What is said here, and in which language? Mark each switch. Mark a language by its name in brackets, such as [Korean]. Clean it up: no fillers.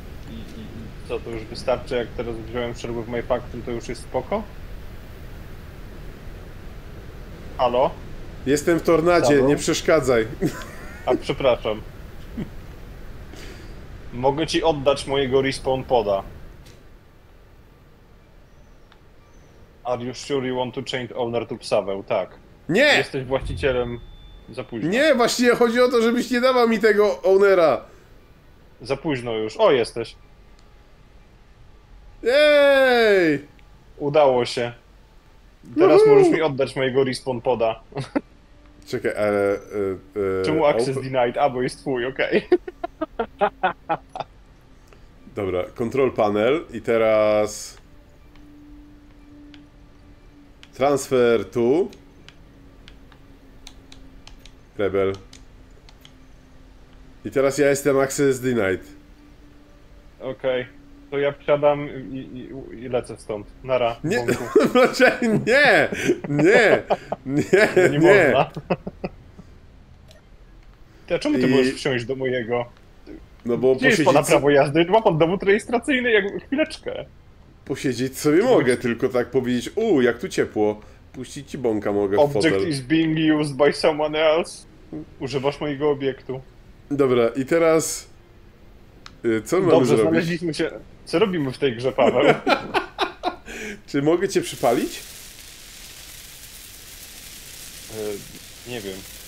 [Polish] I co, to już wystarczy, jak teraz wziąłem [English] share with my faction, [Polish] to już jest spoko? Halo? Jestem w tornadzie, Dabry? Nie przeszkadzaj. A przepraszam. Mogę ci oddać mojego respawn poda. [English] Are you sure you want to change owner to Psaweł? [Polish] Tak. Nie! Jesteś właścicielem za późno. Nie, właściwie chodzi o to, żebyś nie dawał mi tego ownera. Za późno już. O, jesteś. Jej! Udało się. Teraz możesz mi oddać mojego respawn poda. Czekaj, czemu [English] access denied? [Polish] A, bo jest twój, okej. Dobra, control panel i teraz... [English] Transfer to... Rebel. [Polish] I teraz ja jestem [English] access denied. [Polish] Okej. Okay. To ja wsiadam i lecę stąd. Nara. Nie, znaczy, nie, nie, nie, nie. Nie można. A czemu ty możesz wsiąść do mojego? No bo gdzie jest pana prawo jazdy? Ma pan dowód rejestracyjny? Jak, chwileczkę. Posiedzieć sobie mogę, tylko tak powiedzieć, jak tu ciepło. Puścić ci bąka mogę w [English] Object [Polish] fotel. [English] Object is being used by someone else. [Polish] Używasz mojego obiektu. Dobra, i teraz... Co mamy dobrze, zrobić? Znaleźliśmy się. Co robimy w tej grze, Paweł? Czy mogę cię przypalić? Nie wiem.